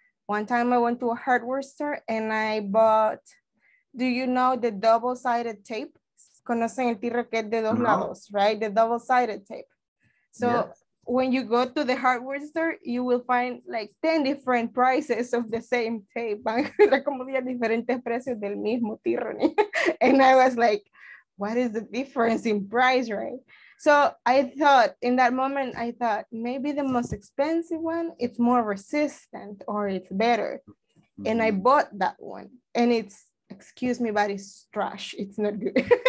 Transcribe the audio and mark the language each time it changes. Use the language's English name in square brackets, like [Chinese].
[English] One time I went to a hardware store and I bought, do you know the double-sided tape? [Spanish] Conocen el tirro que es de dos lados, right? [English] The double-sided tape. So yes. When you go to the hardware store, you will find like 10 different prices of the same tape. [Spanish] Van a como 10 diferentes precios del mismo tirro. [English] And I was like, what is the difference in price, right? So I thought, in that moment, I thought, maybe the most expensive one, it's more resistant or it's better. Mm-hmm. And I bought that one. And it's, excuse me, but it's trash. It's not good.